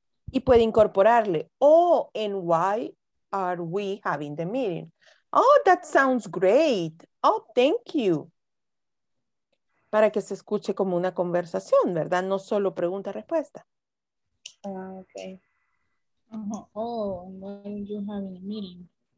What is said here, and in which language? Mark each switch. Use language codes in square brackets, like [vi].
[es] Y puede incorporarle, [en] oh, and why are we having the meeting? Oh, that sounds great. Oh, thank you. [es] Para que se escuche como una conversación, ¿verdad? No solo pregunta-respuesta. Ok. Uh-huh. [en] Oh, and why are you having a meeting?